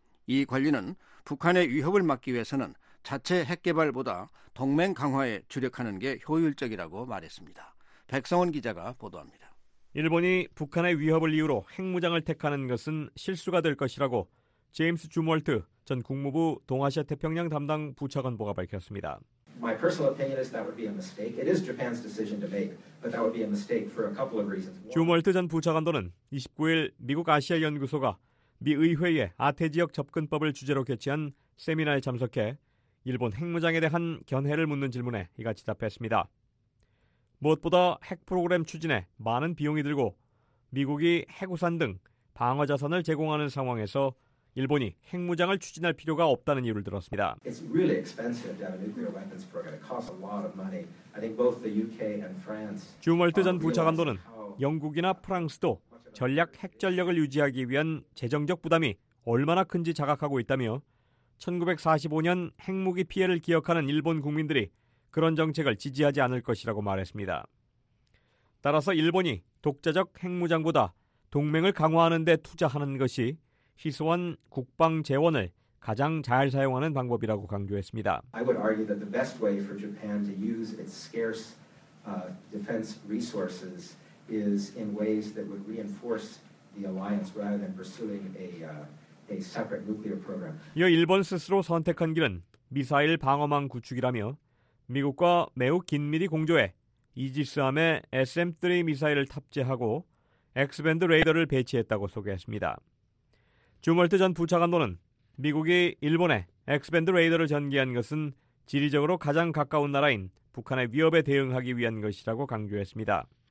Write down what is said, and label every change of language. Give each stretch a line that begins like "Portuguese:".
Korean: 이 관리는 북한의 위협을 막기 위해서는 자체 핵개발보다 동맹 강화에 주력하는 게 효율적이라고 말했습니다. 백성원 기자가 보도합니다. 일본이 북한의 위협을 이유로 핵무장을 택하는 것은 실수가 될 것이라고 제임스 주몰트 전 국무부 동아시아 태평양 담당 부차관보가 밝혔습니다.
English: My personal opinion is that would be a mistake. It is Japan's decision to make, but that would be a mistake for a couple of reasons.
Korean: 주몰트 전 부차관도는 29일 미국 아시아 연구소가 미 의회의 아태 지역 접근법을 주제로 개최한 세미나에 참석해 일본 핵무장에 대한 견해를 묻는 질문에 이같이 답했습니다. 무엇보다 핵 프로그램 추진에 많은 비용이 들고 미국이 핵우산 등 방어 자산을 제공하는 상황에서 일본이 핵무장을 추진할 필요가 없다는 이유를 들었습니다.
English: It's really expensive to have a nuclear weapons program. It costs a lot of money. I think both the UK and France.
Korean: 주몰트 전 부차관도는 영국이나 프랑스도 전략 핵 전력을 유지하기 위한 재정적 부담이 얼마나 큰지 자각하고 있다며 1945년 핵무기 피해를 기억하는 일본 국민들이 그런 정책을 지지하지 않을 것이라고 말했습니다. 따라서 일본이 독자적 핵무장보다 동맹을 강화하는 데 투자하는 것이 희소한 국방 재원을 가장 잘 사용하는 방법이라고 강조했습니다.
English: I would argue that the best way for Japan to use its scarce defense resources is in ways that would reinforce the alliance rather than pursuing a separate nuclear program.
Korean: 이어 일본 스스로 선택한 길은 미사일 방어망 구축이라며 미국과 매우 긴밀히 공조해 이지스함에 SM-3 미사일을 탑재하고 X-밴드 레이더를 배치했다고 소개했습니다. 주몰트 전 부차관도는 미국이 일본에 X-밴드 레이더를 전개한 것은 지리적으로 가장 가까운 나라인 북한의 위협에 대응하기 위한 것이라고 강조했습니다.